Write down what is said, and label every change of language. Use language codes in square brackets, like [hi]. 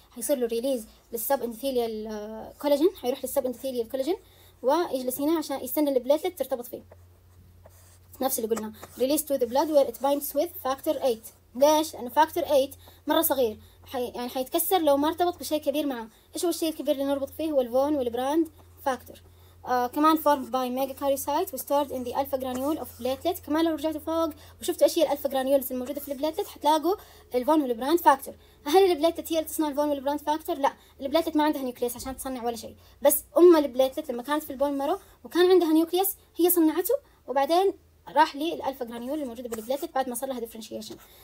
[ar] حيصير له ريليز للسب اندوثيليال كولاجين, حيروح للسب اندوثيليال كولاجين ويجلس هنا عشان يستنى البليتلت ترتبط فيه, نفس اللي قلنا [en] Release to the blood where it binds with factor 8. [ar] ليش؟ لانه فاكتور 8 مره صغير يعني حيتكسر لو ما ارتبط بشيء كبير معه. ايش هو الشيء الكبير اللي نربط فيه؟ هو الفون والبراند فاكتور. كمان [en] formed by megakaryocyte وstored in the alpha granule of platelet. [ar] كمان لو رجعتوا فوق وشفتوا ايش هي الالفا جرانيولز الموجوده في البلاتلت حتلاقوا الفون والبراند فاكتور. هل البلاتلت هي اللي تصنع الفون والبراند فاكتور؟ لا, البلاتلت ما عندها نيوكليس عشان تصنع ولا شيء, بس ام البلاتلت لما كانت في البون مارو وكان عندها نيوكليس هي صنعته وبعدين راح للالفا جرانيول الموجوده بالبلاتلت بعد ما صار لها ديفرنشيشن.